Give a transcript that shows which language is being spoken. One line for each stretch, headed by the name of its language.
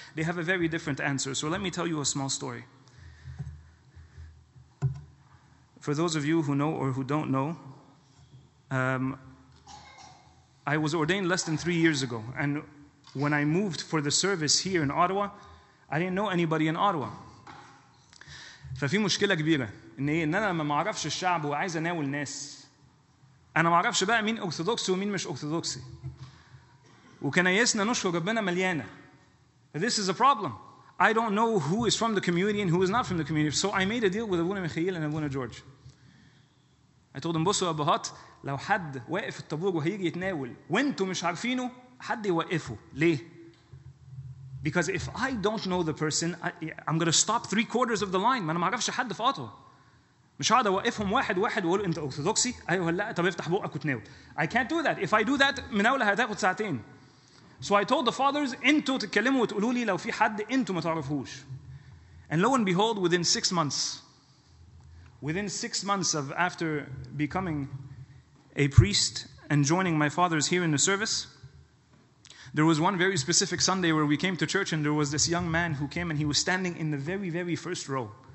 English: They have a very different answer. So let me tell you a small story. For those of you who know or who don't know, I was ordained less than 3 years ago, and when I moved for the service here in Ottawa, I didn't know anybody in Ottawa.
Arabic: ففي مشكلة كبيرة إن إيه؟ إن أنا لما ما أعرفش الشعب وعايز أناول ناس، أنا ما أعرفش بقى مين أرثوذكسي ومين مش أرثوذكسي. وكنايسنا نشكر ربنا مليانة.
English: This is a problem. I don't know who is from the community and who is not from the community. So I made a deal with Abuna Michael and Abuna George. I told them,
Arabic: بصوا يا أبهات، لو حد واقف الطابور وهيجي يتناول وأنتوا مش عارفينه، حد يوقفه. ليه؟
English: Because if I don't know the person, I'm going to stop three quarters of the line.
Arabic: ما أنا ما أعرفش حد في أوتاوا. مش هقعد أوقفهم واحد واحد وأقول أنت أرثوذكسي؟ أيوه لا، طب افتح بقك وتناول.
English: I can't do that. If I do that،
Arabic: مناولة هتاخد ساعتين.
English: So I told the fathers,
Arabic: أنتوا تتكلموا وتقولوا لي لو في حد أنتوا ما تعرفوش.
English: And lo and behold, within six months of after becoming a priest and joining my fathers here in the service, there was one very specific Sunday where we came to church and there was this young man who came and he was standing in the very, very first row.